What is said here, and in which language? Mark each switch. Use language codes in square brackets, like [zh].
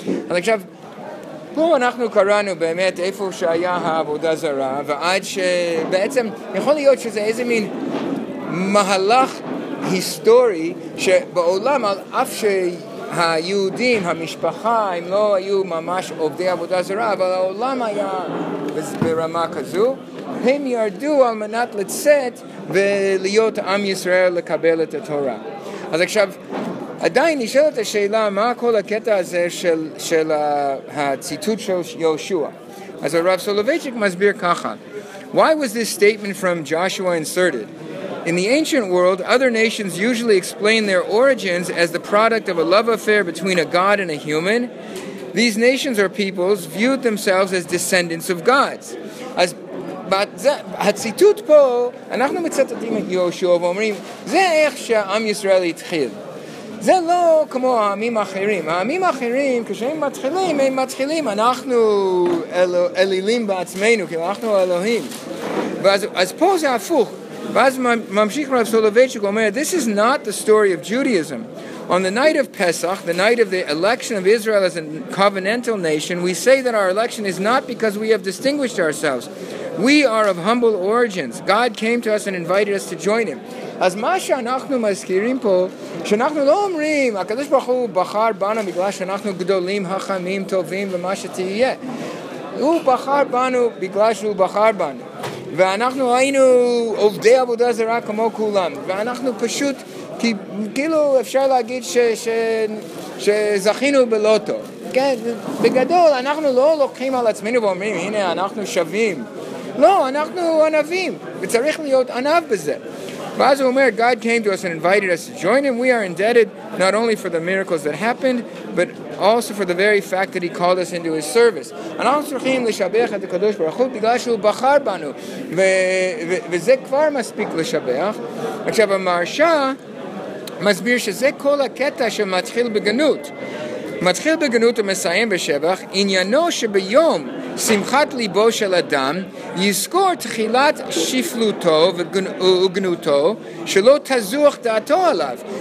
[he] אז עכשיו פה אנחנו קראנו באמת איפה שהיה העבודה זרה, ועד שבעצם יכול להיות שזה איזה מין מהלך היסטורי שבעולם, על אף ש היהודים, המשפחה, הם לא היו ממש עובדי עבודה זרה, אבל העולם היה ברמה כזו, הם ירדו על מנת לצאת ולהיות עם ישראל לקבל את התורה. אז עכשיו, עדיין נשאלת השאלה, מה כל הקטע הזה של הציטוט של יהושע? אז הרב סולובייצ'יק מסביר ככה, [en] why was this statement from Joshua inserted? In the ancient world, other nations usually explain their origins as the product of a love affair between a god and a human. These nations or peoples viewed themselves as descendants of gods. [he] אז הציטוט פה, אנחנו מצטטים את יהושע ואומרים, זה איך שהעם ישראל התחיל. זה לא כמו העמים האחרים. העמים האחרים, כשהם מתחילים, הם מתחילים, אנחנו אלילים בעצמנו, כי אנחנו אלוהים. אז פה זה הפוך. ואז ממשיך רב סולובייצ'יק אומר, [en] this is not the story of Judaism. On the night of Pesach, the night of the election of Israel as a covenantal nation, we say that our election is not because we have distinguished ourselves. We are of humble origins. God came to us and invited us to join him. [he] אז מה שאנחנו מזכירים פה, שאנחנו לא אומרים, הקדוש ברוך הוא בחר בנו בגלל שאנחנו גדולים, חכמים, טובים ומה שתהיה. הוא בחר בנו בגלל שהוא בחר בנו. ואנחנו היינו עובדי עבודה זרה כמו כולם, ואנחנו פשוט, כאילו אפשר להגיד שזכינו בלוטו. כן, בגדול, אנחנו לא לוקחים על עצמנו ואומרים, הנה, אנחנו שווים. לא, אנחנו ענבים, וצריך להיות ענב בזה. ואז הוא אומר, [en] God came to us and invited us to join him. We are indebted not only for the miracles that happened, but also for the very fact that he called us into his service. [he] אנחנו צריכים לשבח את הקדוש ברוך הוא בגלל שהוא בחר בנו, וזה כבר מספיק לשבח. עכשיו המרשא מסביר שזה כל הקטע שמתחיל בגנות. מתחיל בגנות ומסיים בשבח, עניינו שביום שמחת ליבו של אדם יזכור תחילת שפלותו וגנותו שלא תזוח דעתו עליו.